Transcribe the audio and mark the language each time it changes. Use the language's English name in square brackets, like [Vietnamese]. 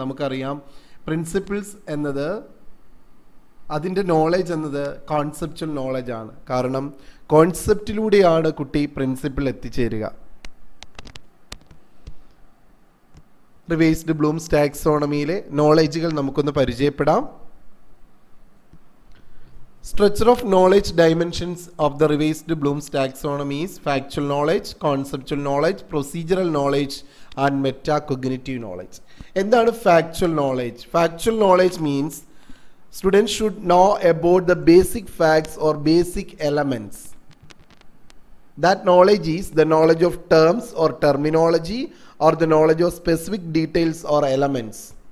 [Malayalam] നമുക്കറിയാം പ്രിൻസിപ്പിൾസ് എന്നത്, അതിൻ്റെ നോളേജ് എന്നത് കോൺസെപ്ച്വൽ നോളേജ് ആണ്. കാരണം കോൺസെപ്റ്റിലൂടെയാണ് കുട്ടി പ്രിൻസിപ്പിൾ എത്തിച്ചേരുക. റിവൈസ്ഡ് ബ്ലൂംസ് ടാക്സോണമിയിലെ നോളേജുകൾ നമുക്കൊന്ന് പരിചയപ്പെടാം. [English] Structure of knowledge dimensions of the revised Bloom's taxonomy is factual knowledge, conceptual knowledge, procedural knowledge and metacognitive knowledge. [Malayalam] എന്താണ് factual knowledge? [English] Factual knowledge means student should know about the basic facts or basic elements. That knowledge is the knowledge of terms or terminology or the knowledge of specific details or elements.